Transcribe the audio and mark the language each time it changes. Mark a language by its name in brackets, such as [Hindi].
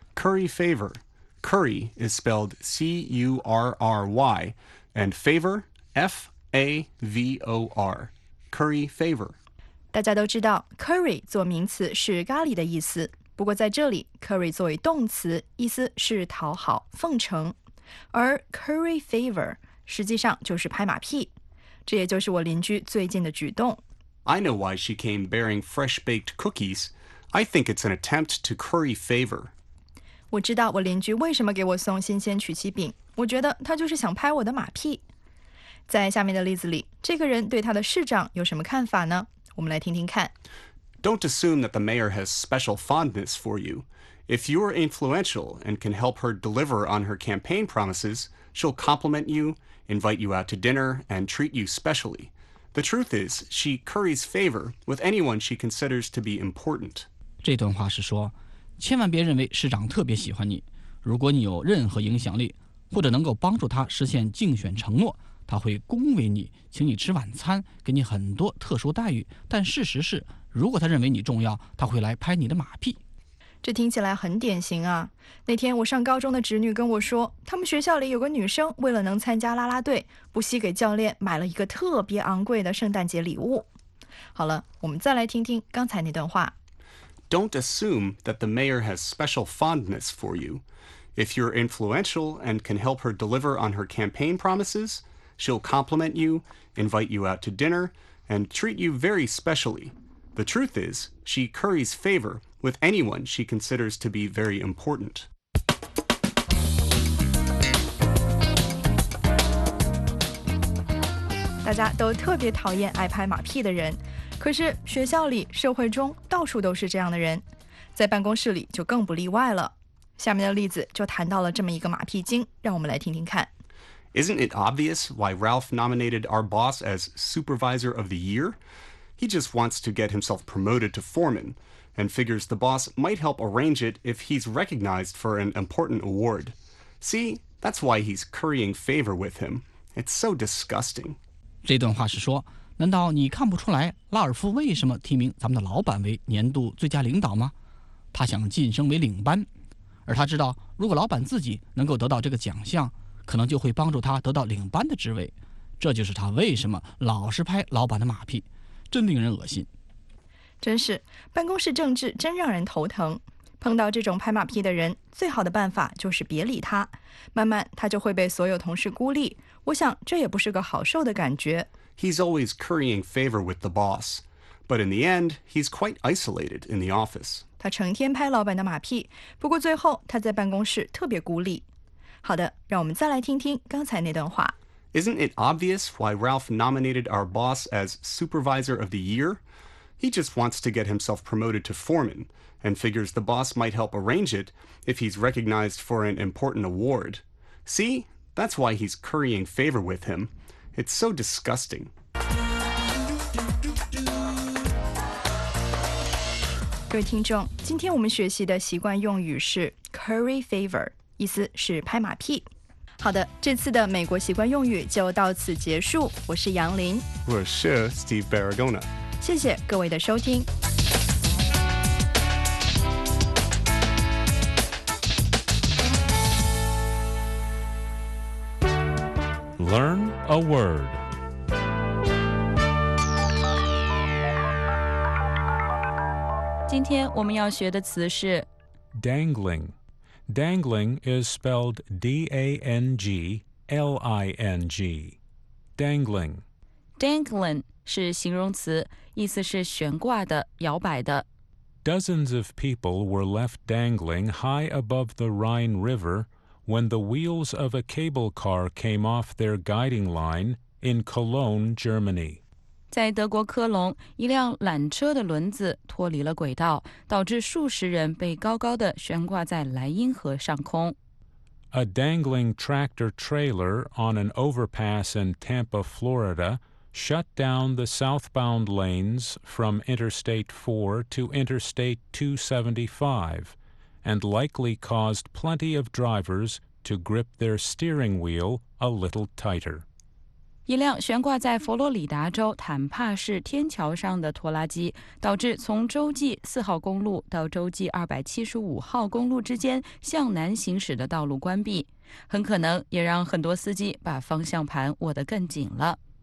[English] Curry favor。 Curry is spelled C-U-R-R-Y, and favor, F-A-V-O-R. Curry favor. [Chinese] 大家都知道 curry 做名词是咖喱的意思，不过在这里 curry 作为动词，意思是讨好、奉承，而 curry favor 实际上就是拍马屁。这也就是我邻居最近的举动。 [English] I know why she came bearing fresh baked cookies. I think it's an attempt to curry favor. [Chinese] 我知道我邻居为什么给我送新鲜曲奇饼，我觉得他就是想拍我的马屁。在下面的例子里，这个人对他的市长有什么看法呢？我们来听听看。 [English] Don't assume that the mayor has special fondness for you. If you are influential and can help her deliver on her campaign promises, she'll compliment you, invite you out to dinner, and treat you specially. The truth is, she curries favor with anyone she considers to be important. [Chinese] 这段话是说千万别认为市长特别喜欢你，如果你有任何影响力或者能够帮助他实现竞选承诺，他会恭维你，请你吃晚餐，给你很多特殊待遇，但事实是如果他认为你重要，他会来拍你的马屁。这听起来很典型啊。那天我上高中的侄女跟我说，他们学校里有个女生为了能参加啦啦队，不惜给教练买了一个特别昂贵的圣诞节礼物。好了，我们再来听听刚才那段话。 [English] Don't assume that the mayor has special fondness for you. If you're influential and can help her deliver on her campaign promises, she'll compliment you, invite you out to dinner, and treat you very specially. The truth is, she curries favor with anyone she considers to be very important. [Chinese] 大家都特别讨厌爱拍马屁的人。可是学校里、社会中到处都是这样的人，在办公室里就更不例外了。下面的例子就谈到了这么一个马屁精，让我们来听听看。 [English] Isn't it obvious why Ralph nominated our boss as Supervisor of the Year? He just wants to get himself promoted to foreman, and figures the boss might help arrange it if he's recognized for an important award. See, that's why he's currying favor with him. It's so disgusting. [Chinese] 这段话是说难道你看不出来拉尔夫为什么提名咱们的老板为年度最佳领导吗？他想晋升为领班，而他知道如果老板自己能够得到这个奖项，可能就会帮助他得到领班的职位。这就是他为什么老是拍老板的马屁，真令人恶心。真是，办公室政治真让人头疼。碰到这种拍马屁的人，最好的办法就是别理他，慢慢他就会被所有同事孤立，我想这也不是个好受的感觉。 [English] He's always currying favor with the boss. But in the end, he's quite isolated in the office. [Chinese] 他成天拍老板的马屁，不过最后他在办公室特别孤立。好的，让我们再来听听刚才那段话。 [English] Isn't it obvious why Ralph nominated our boss as Supervisor of the Year? He just wants to get himself promoted to foreman, and figures the boss might help arrange it if he's recognized for an important award. See? That's why he's currying favor with him. It's so disgusting. [Chinese] Curry favor, 意思是拍马屁。好的，这次的美国习惯用语就到此结束。我是杨林，我是 Steve Barragona。谢谢各位的收听。 [English] Learn a word. Today, [Chinese] 我们要学的词是 [English] dangling. Dangling is spelled D-A-N-G-L-I-N-G. Dangling. [Chinese] Dangling 是形容词，意思是悬挂的，摇摆的。 [English] Dozens of people were left dangling high above the Rhine River when the wheels of a cable car came off their guiding line in Cologne, Germany. [Chinese] 在德国科隆，一辆缆车的轮子脱离了轨道，导致数十人被高高的悬挂在莱茵河上空。 [English] A dangling tractor trailer on an overpass in Tampa, Florida, shut down the southbound lanes from Interstate 4 to Interstate 275, and likely caused plenty of drivers to grip their steering wheel a little tighter. [Chinese] 一辆悬挂在佛罗里达州坦帕市天桥上的拖拉机，导致从洲际4号公路到洲际275号公路之间向南行驶的道路关闭，很可能也让很多司机把方向盘握得更紧了。